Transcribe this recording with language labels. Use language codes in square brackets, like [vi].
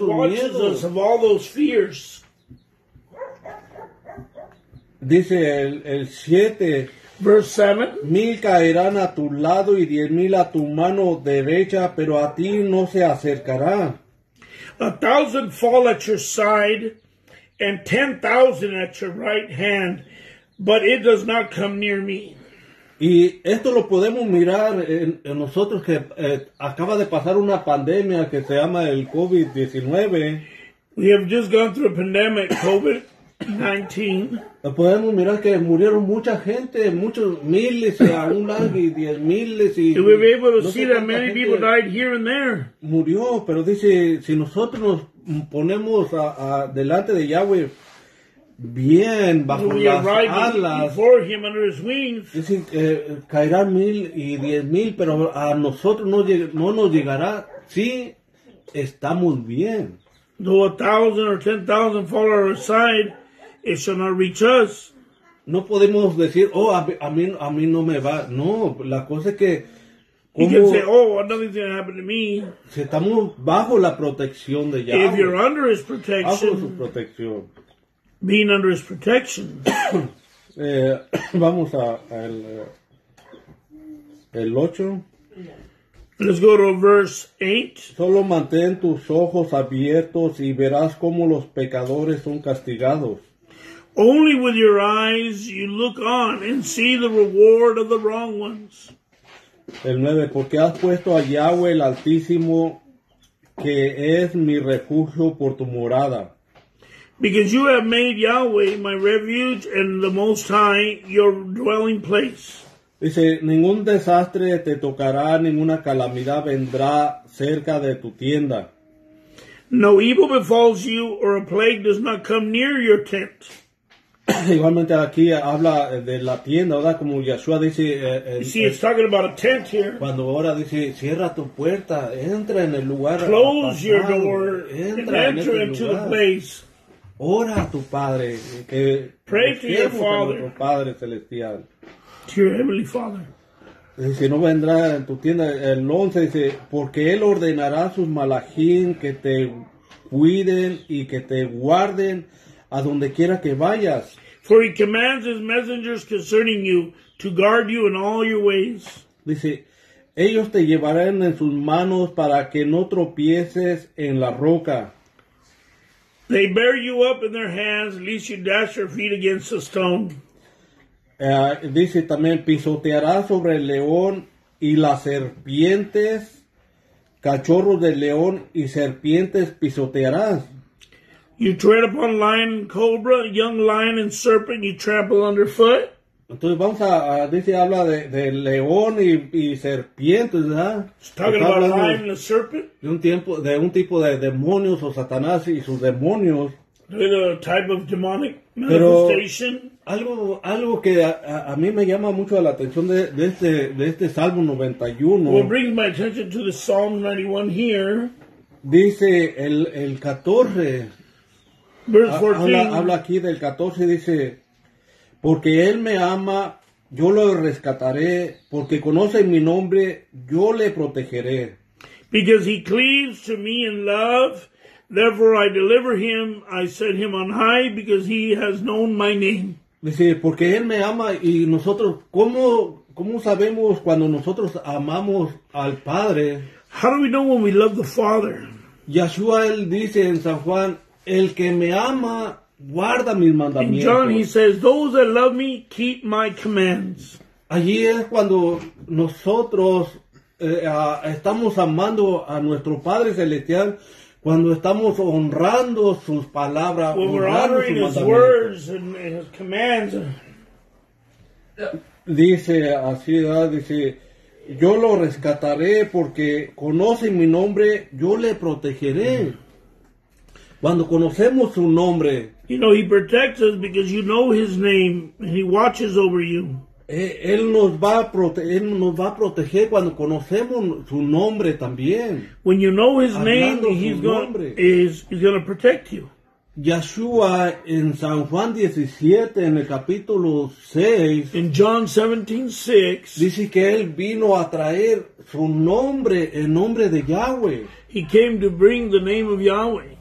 [en] He watches us of all those fears. [es] Dice el 7. [en] Verse 7. [es] 1,000 caerán a tu lado y 10,000 a tu mano derecha, pero a ti no se acercará. [en] 1,000 fall at your side and 10,000 at your right hand, but it does not come near me. [es] Y esto lo podemos mirar en nosotros que acaba de pasar una pandemia que se llama el COVID-19. [en] We have just gone through a pandemic, COVID-19. [es] Podemos mirar que murieron mucha gente, muchos miles y aún más, 10,000 y. [en] We were able to see that many people died here and there. [es] Murió, pero dice si nosotros nos ponemos a delante de Yahweh bien bajo las alas. [en] Before him under his wings. [es] Dice caerán 1,000 y 10,000, pero a nosotros no nos llegará si estamos bien. [en] Though 1,000 or 10,000 fall on our side. It shall not reach us. [es] No podemos decir, oh, a mí no me va. No, la cosa es que. [en] You can say, oh, nothing's going to happen to me. [es] Si estamos bajo la protección de Yahweh. [en] If you're under his protection. [es] Bajo su protección. [en] Being under his protection. [es] vamos al 8. [en] Let's go to verse 8. [es] Solo mantén tus ojos abiertos y verás cómo los pecadores son castigados. [en] Only with your eyes you look on and see the reward of the wrong ones. [es] El 9, porque has puesto a Yahweh el Altísimo, que es mi refugio por tu morada. [en] Because you have made Yahweh my refuge and the Most High your dwelling place. [es] Dice, ningún desastre te tocará, ninguna calamidad vendrá cerca de tu tienda. [en] No evil befalls you or a plague does not come near your tent. [es] Igualmente aquí habla de la tienda, ¿verdad? Como Yahshua dice... [en] it's talking about a tent here. [es] Cuando ahora dice, cierra tu puerta, entra en el lugar. [en] Close your door [es] entra en [en] into lugar. The place. [es] Ora a tu Padre. Que [en] pray to your Father. [es] Tu Padre Celestial. [en] To your Heavenly Father. [es] Dice, no vendrá en tu tienda. El 11 dice, porque Él ordenará a sus malajín que te cuiden y que te guarden a donde quiera que vayas. [en] For He commands His messengers concerning you to guard you in all your ways. [es] Dice, ellos te llevarán en sus manos para que no tropieces en la roca. [en] They bear you up in their hands, lest you dash your feet against a stone. [es] Dice también, pisoteará sobre el león y las serpientes, cachorros de león y serpientes pisotearás. [en] You tread upon lion and cobra, young lion and serpent you trample underfoot. [es] Entonces vamos a, dice, habla de león y serpientes, ¿verdad? [en] Talking about lion and a serpent. [es] De un tiempo, de un tipo de demonios o Satanás y sus demonios. [en] A type of demonic manifestation. [es] Pero algo que a mí me llama mucho la atención de este Salmo 91. [en] What brings my attention to the Psalm 91 here. [es] Dice el 14. [en] Verse 14. [es] Habla aquí del 14 y dice, porque Él me ama, yo lo rescataré, porque conoce mi nombre, yo le protegeré. [en] Because He cleaves to me in love, therefore I deliver Him, I set Him on high, because He has known my name. [es] Dice, porque Él me ama, y nosotros, ¿cómo sabemos cuando nosotros amamos al Padre? [en] How do we know when we love the Father? [es] Yahshua, Él dice en San Juan, el que me ama... guarda mis mandamientos. [en] In John he says, those that love me keep my commands. [es] Allí es cuando nosotros estamos amando a nuestro Padre Celestial, cuando estamos honrando sus palabras, [en] when [es] honrando [en] we're honoring [es] sus mandamientos. [en] His words and His commands. [es] Dice así, dice, yo lo rescataré porque conoce mi nombre, yo le protegeré. Cuando conocemos su nombre, [en] you know, He protects us because you know His name and He watches over you. [es] Él nos va a proteger cuando conocemos su nombre también. [en] When you know His hablando name, He's going to protect you. [es] Yahshua en San Juan 17, en el capítulo 6. [en] In John 17:6, [es] dice que Él vino a traer su nombre, el nombre de Yahweh. [en] He came to bring the name of Yahweh.